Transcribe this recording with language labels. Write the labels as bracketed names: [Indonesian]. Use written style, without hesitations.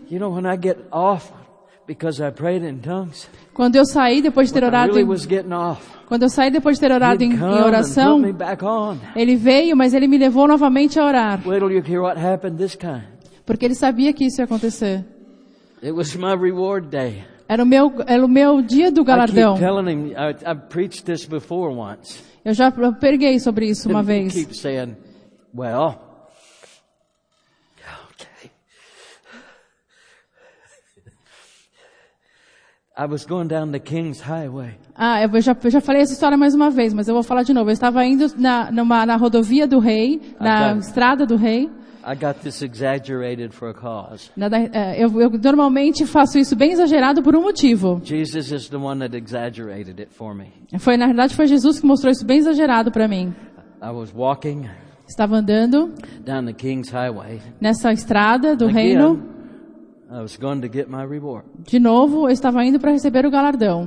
[English] You know, when I get off because I prayed in tongues, [Portuguese] quando eu saí depois de ter orado quando eu saí depois de ter orado em oração, ele veio, mas ele me levou novamente a orar. [English] Wait till you hear what happened this time. [Portuguese] Porque ele sabia que isso ia acontecer. [English] It was my reward day. [Portuguese] Era o meu dia do galardão. Eu já preguei sobre isso uma vez. [English] Keep saying, well, okay. I was going down the King's Highway. [Portuguese] Ah, eu já falei essa história mais uma vez, mas eu vou falar de novo. Eu estava indo na rodovia do rei, estrada do rei. [English] I got this exaggerated for a cause. [Portuguese] Eu normalmente faço isso bem exagerado por um motivo. [English] Jesus is the one that exaggerated it for me. [Portuguese] Foi Jesus que mostrou isso bem exagerado para mim. [English] I was walking. [Portuguese] Estava andando. [English] Down the King's Highway. [Portuguese] Nessa estrada do [English] Again, [Portuguese] reino. [English] I was going to get my reward. [Portuguese] De novo, eu estava indo para receber o galardão.